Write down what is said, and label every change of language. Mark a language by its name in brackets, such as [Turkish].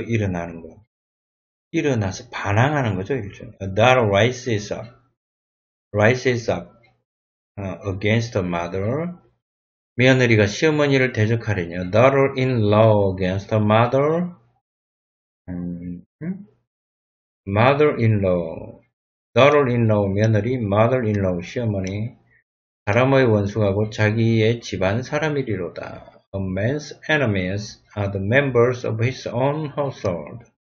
[Korean] 일어나는 거 일어나서 반항하는 거죠. 그렇죠? [English] That rises up, rises up against the mother. [Korean] 며느리가 시어머니를 대적하려니 [English] daughter in law against the mother. Mother in law, daughter in law, 며느리, mother in law, 시어머니. [Korean] 사람의 원수가고 자기의 집안 사람이리로다. [English] A man's enemies are the members of his own household.